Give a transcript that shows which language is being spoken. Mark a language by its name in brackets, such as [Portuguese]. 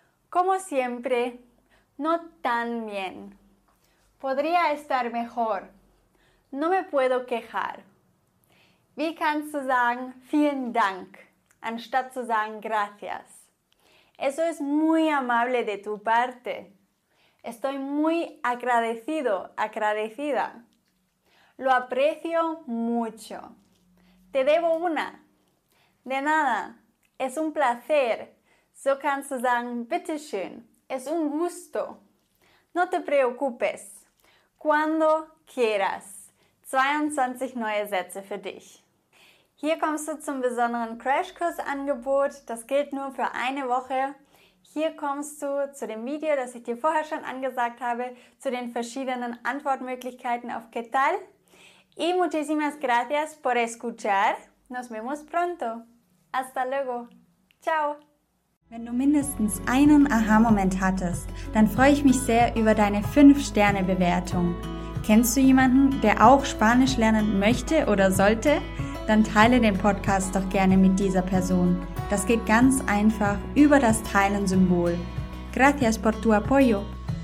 [Spanish] Como siempre, no tan bien. Podría estar mejor. No me puedo quejar. [German] Wie kannst du sagen, vielen Dank, anstatt zu sagen, gracias? [Spanish] Eso es muy amable de tu parte. Estoy muy agradecido, agradecida. Lo aprecio mucho. Te debo una. De nada. Es un placer. [German] So kannst du sagen, bitteschön. [Spanish] Es un gusto. No te preocupes. Cuando quieras. [German] 22 neue Sätze für dich. Hier kommst du zum besonderen Crashkursangebot. Das gilt nur für eine Woche. Hier kommst du zu dem Video, das ich dir vorher schon angesagt habe, zu den verschiedenen Antwortmöglichkeiten auf [Spanish] ¿Qué tal? Y muchísimas gracias por escuchar. Nos vemos pronto. Hasta luego. Ciao. [German] Wenn du mindestens einen Aha-Moment hattest, dann freue ich mich sehr über deine 5-Sterne-Bewertung. Kennst du jemanden, der auch Spanisch lernen möchte oder sollte? dann teile den Podcast doch gerne mit dieser Person. Das geht ganz einfach über das Teilen-Symbol. [Spanish] Gracias por tu apoyo.